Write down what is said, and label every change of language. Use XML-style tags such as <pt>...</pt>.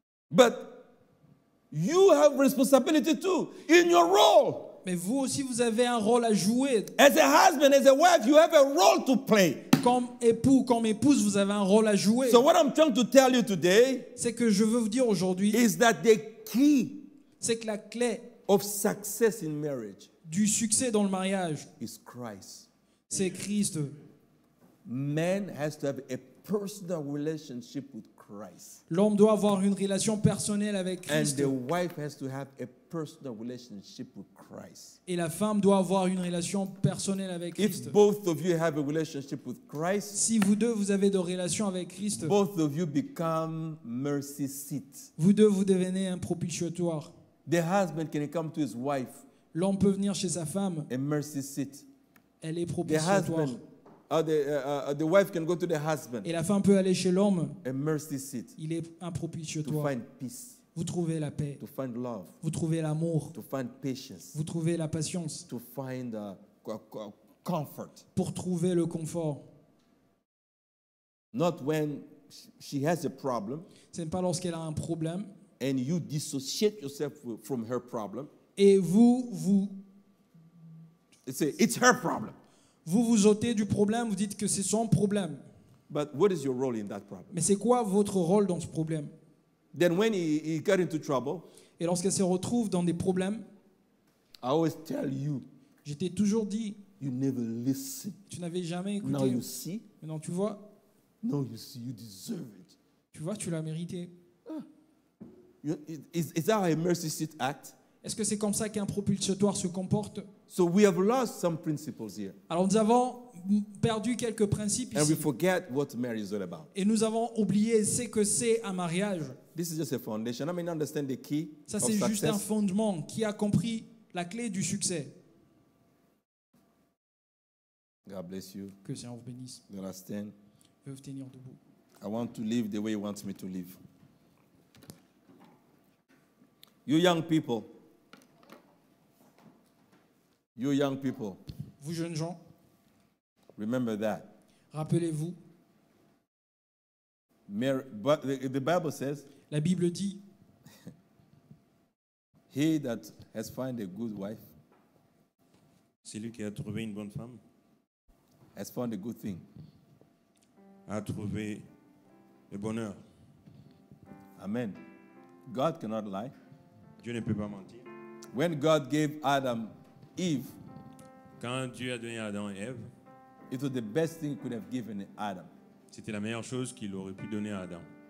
<en>But you have responsibility too in your role.</en> <fr>Mais vous aussi, vous avez un rôle à jouer.</fr> <en>As a husband, as a wife, you have a role to play.</en> <fr>Comme époux, comme épouse, vous avez un rôle à jouer.</fr> <en>So what I'm trying to tell you today,</en> <fr>c'est que je veux vous dire aujourd'hui,</fr> <en>is that the key,</en> <fr>c'est que la clé</fr> <en>of success in marriage,</en> <fr>du succès dans le mariage,</fr> <en>is Christ.</en> <fr>C'est Christ.</fr> <en>Man has to have a personal relationship with Christ.</en> <fr>L'homme doit avoir une relation personnelle avec Christ.</fr> <en>And the wife has to have a personal relationship with Christ.</en> <fr>Et la femme doit avoir une relation personnelle avec Christ.</fr> <en>If both of you have a relationship with Christ,</en> <fr>si vous deux vous avez de relations avec Christ,</fr> <en>both of you become mercy seat.</en> <fr>Vous deux vous devenez un propitiatoire.</fr> <en>The husband can come to his wife.</en> <fr>L'homme peut venir chez sa femme.</fr> <en>A mercy seat.</en> <fr>Elle est propitiatoire.</fr> <en>The husband, the wife can go to the husband.</en> <fr>Et la femme peut aller chez l'homme.</fr> <en>A mercy seat.</en> <fr>Il est un propitiatoire.</fr> <en>To find peace.</en> <fr>Vous trouvez la paix.</fr> <en>To find love.</en> <fr>Vous trouvez l'amour.</fr> <en>To find patience.</en> <fr>Vous trouvez la patience.</fr> <en>To find comfort.</en> <fr>Pour trouver le confort.</fr> <en>Not when she has a problem.</en> <fr>Ce n'est pas lorsqu'elle a un problème.</fr> <en>And you dissociate yourself from her problem.</en> <fr>Et vous, vous.</fr> <en>It's her problem.</en> <fr>Vous vous ôtez du problème. Vous dites que c'est son problème.</fr> <en>But what is your role in that problem?</en> <fr>Mais c'est quoi votre rôle dans ce problème?</fr> <en>Then when he got into trouble,</en> <fr>et lorsqu'elle se retrouve dans des problèmes,</fr> <en>I always tell you,</en> <fr>j'étais toujours dit,</fr> <en>you never listen.</en> <fr>Tu n'avais jamais écouté.</fr> <en>Now you see,</en> <fr>maintenant tu vois.</fr> <en>Now you see, you deserve it.</en> <fr>Tu vois, tu l'as mérité.</fr> <en>Is that how a mercy seat acts?</en> <fr>Est-ce que c'est comme ça qu'un propulsatoire se comporte?</fr> <en>So we have lost some principles here.</en> <fr>Alors nous avons perdu quelques principes</fr> <en>and</en> <fr>ici.</fr> <en>We forget what marriage is all about.</en> <fr>Et nous avons oublié ce que c'est un mariage.</fr> <en>This is just a foundation. I mean, understand the key.</en> <fr>Ça c'est juste un fondement qui a compris la clé du succès.</fr> <en>God bless you.</en> <fr>Que le Seigneur vous bénisse.</fr> <en>You understand?</en> <fr>Veuve tenir debout.</fr> <en>I want to live the way he wants me to live. You young people.</en> <fr>Vous jeunes gens.</fr> <en>Remember that.</en> <fr>Rappelez-vous.</fr> <en>But the Bible says.</en> <fr>La Bible dit.</fr> <en>He that has found a good wife.</en> <fr>Celui qui a trouvé une bonne femme.</fr> <en>Has found a good thing.</en> <fr>A trouvé le bonheur.</fr> <en>Amen. God cannot lie.</en> <fr>Dieu ne peut pas mentir.</fr> <en>When God gave Adam Eve.</en> <fr>Quand Dieu a donné à Adam et Ève,</fr> <en>it was the best thing he could have given Adam.</en> <fr>C'était la meilleure chose qu'il aurait pu donner à Adam.</fr>